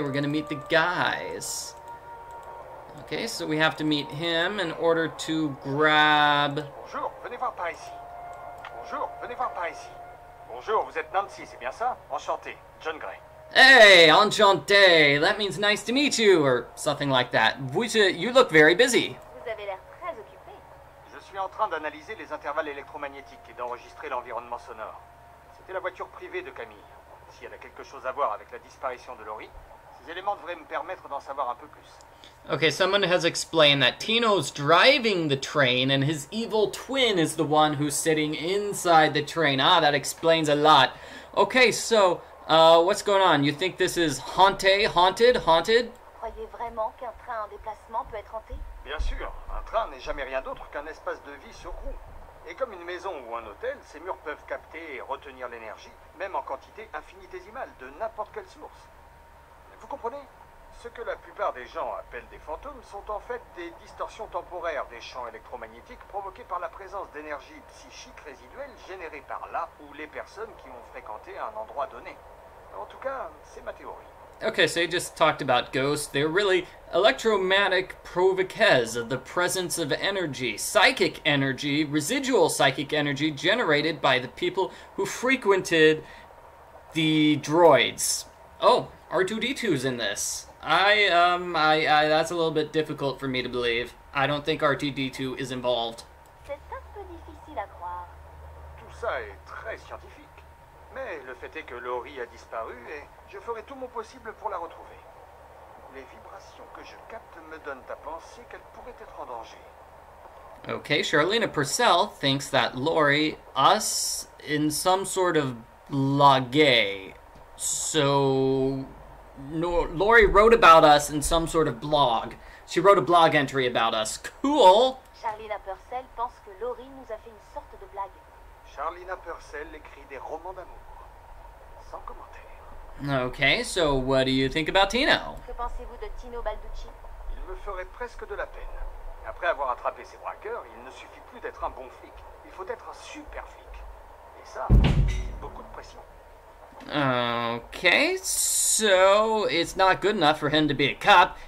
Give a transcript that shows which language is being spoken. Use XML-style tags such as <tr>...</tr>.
<en>We're gonna meet the guys. Okay, so we have to meet him in order to grab.</en> <fr>Bonjour, venez voir par ici. Bonjour, venez voir par ici. Bonjour, vous êtes Nancy, c'est bien ça? Enchanté, John Gray. Hey, enchanté.</fr> <en>That means nice to meet you, or something like that. You look very busy.</en> <fr>Vous avez l'air très occupé. Je suis en train d'analyser les intervalles électromagnétiques et d'enregistrer l'environnement sonore. C'était la voiture privée de Camille. Si elle a quelque chose à voir avec la disparition de Laurie, ces éléments devraient me permettre d'en savoir un peu plus.</fr> <en>Okay, someone has explained that Tino's driving the train and his evil twin is the one who's sitting inside the train. Ah, that explains a lot. Okay, so... what's going on? You think this is haunted?</en> <fr>Croyez vraiment qu'un train en déplacement peut être hanté? Bien sûr. Un train n'est jamais rien d'autre qu'un espace de vie sur roues. Et comme une maison ou un hôtel, ces murs peuvent capter et retenir l'énergie, même en quantité infinitésimale, de n'importe quelle source. Vous comprenez? Ce que la plupart des gens appellent des fantômes sont en fait des distorsions temporaires des champs électromagnétiques provoquées par la présence d'énergie psychique résiduelle générée par là ou les personnes qui ont fréquenté un endroit donné. En tout cas, c'est ma théorie.</fr> <en>Okay, so you just talked about ghosts. They're really electromagnetic provoques of the presence of energy, psychic energy, residual psychic energy generated by the people who frequented the droids. Oh, R2-D2's in this. I that's a little bit difficult for me to believe. I don't think RTD2 is involved.</en> <fr>C'est un peu difficile à croire. Tout ça est très scientifique. Mais le fait est que Laurie a disparu et je ferai tout mon possible pour la retrouver. Les vibrations que je capte me donnent à penser qu'elle pourrait être en danger.</fr> <en>Okay, Charlina Purcell thinks that Laurie us in some sort of blague. So No, Laurie wrote about us in some sort of blog. She wrote a blog entry about us. Cool!</en> <fr>Charlina Purcell pense que Laurie nous a fait une sorte de blague. Charlina Purcell écrit des romans d'amour. Sans commentaire.</fr> <en>Okay, so what do you think about Tino?</en> <fr>Que pensez-vous de Tino Balducci? Il me ferait presque de la peine. Après avoir attrapé ses braqueurs, il ne suffit plus d'être un bon flic. Il faut être un super flic. Et ça, c'est beaucoup de pression.</fr> <en>Okay, so it's not good enough for him to be a cop.</en>